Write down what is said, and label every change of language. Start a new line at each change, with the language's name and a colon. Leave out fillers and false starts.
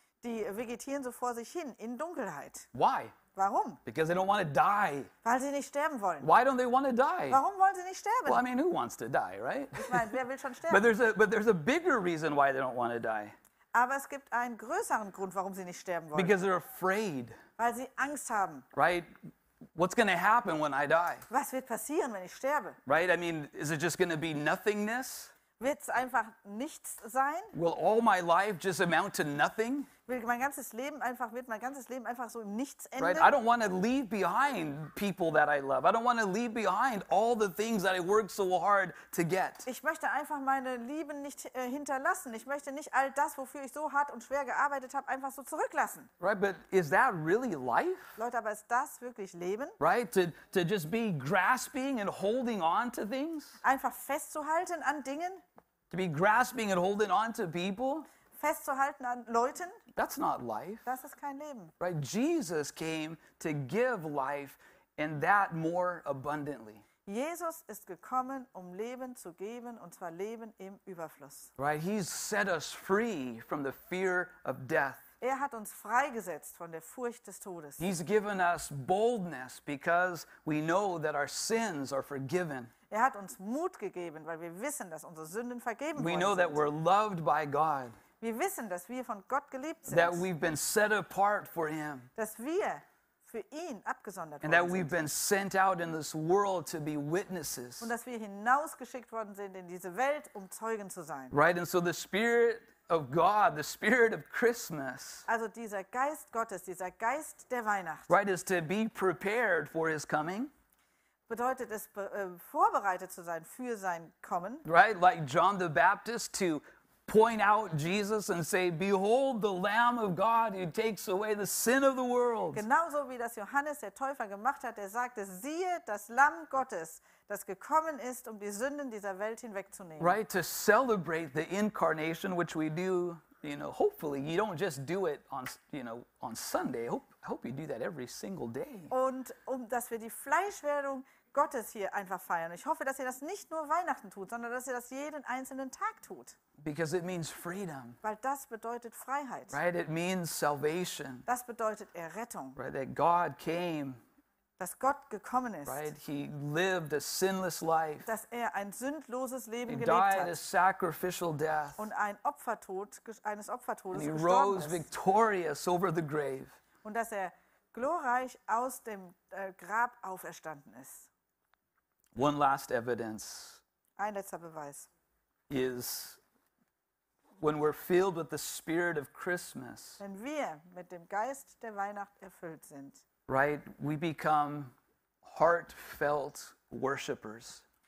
German: Die vegetieren so vor sich hin in Dunkelheit.
English: Why?
German: Warum?
English: Because they don't want to die.
German: Weil sie nicht sterben wollen.
English: Why don't they want to die?
German: Warum wollen sie nicht sterben?
English: Well, I mean, who wants to die, right?
German: Ich meine, wer will schon sterben?
English: But there's a bigger reason why they don't want to die.
German: Aber es gibt einen größeren Grund, warum sie nicht sterben wollen.
English: Because they're afraid.
German: Weil sie Angst haben.
English: Right? What's going to happen when I die?
German: Was wird passieren, wenn ich sterbe?
English: Right? I mean, is it just going to be nothingness?
German: Wird's einfach nichts sein?
English: Will all my life just amount to nothing?
German: Wird mein ganzes Leben einfach so im Nichts enden?
English: Right? I don't want to leave behind people that I love. I don't want to leave behind all the things that I worked so hard to get.
German: Ich möchte einfach meine Lieben nicht hinterlassen. Ich möchte nicht all das, wofür ich so hart und schwer gearbeitet habe, einfach so zurücklassen.
English: Right, but is that really life?
German: Leute, aber ist das wirklich Leben?
English: Right, to just be grasping and holding on to things?
German: Einfach festzuhalten an Dingen?
English: To be grasping and holding on to people?
German: Festzuhalten an Leuten?
English: That's not life.
German: Das ist kein Leben.
English: Right? Jesus came to give life, and that more abundantly.
German: Jesus ist gekommen, um Leben zu geben, und zwar Leben im Überfluss.
English: Right? He's set us free from the fear of death.
German: Er hat uns freigesetzt von der Furcht des Todes.
English: He's given us boldness because we know that our sins are forgiven.
German: Er hat uns Mut gegeben, weil wir wissen, dass unsere Sünden vergeben worden sind.
English: We know that we're loved by God.
German: Wir wissen, dass wir von Gott geliebt sind.
English: That we've been set apart for him.
German: Dass wir für ihn abgesondert worden sind.
English: And that we've been sent out in this world to be witnesses.
German: Und dass wir hinausgeschickt worden sind in diese Welt, um Zeugen zu sein.
English: Right, and so the Spirit of God, the Spirit of Christmas.
German: Also dieser Geist Gottes, dieser Geist der Weihnacht.
English: Right, is to be prepared for his coming.
German: Bedeutet es, vorbereitet zu sein für sein Kommen.
English: Right, like John the Baptist, to point out Jesus and say, "Behold the Lamb of God who takes away the sin of the world."
German: Genauso wie das Johannes der Täufer gemacht hat, der sagte, siehe das Lamm Gottes, das gekommen ist, um die Sünden dieser Welt hinwegzunehmen.
English: Right, to celebrate the incarnation, which we do, you know, hopefully you don't just do it on, you know, on Sunday. I hope you do that every single day.
German: Und um, dass wir die Fleischwerdung Gottes hier einfach feiern. Ich hoffe, dass ihr das nicht nur Weihnachten tut, sondern dass ihr das jeden einzelnen Tag tut.
English: Because it means freedom.
German: Weil das bedeutet Freiheit.
English: Right, it means salvation.
German: Das bedeutet Errettung.
English: Right, that God came.
German: Dass Gott gekommen ist.
English: Right, he lived a sinless life.
German: Dass er ein sündloses Leben
English: he
German: gelebt
English: died
German: hat.
English: A sacrificial death.
German: Und ein Opfertod eines Opfertodes
English: and he
German: gestorben
English: rose
German: ist.
English: Victorious over the grave.
German: Und dass er glorreich aus dem Grab auferstanden ist.
English: One last evidence
German: ein letzter Beweis
English: is when we're filled with the spirit of Christmas.
German: Wenn wir mit dem Geist der Weihnacht erfüllt sind.
English: Right, we become heartfelt worshipers.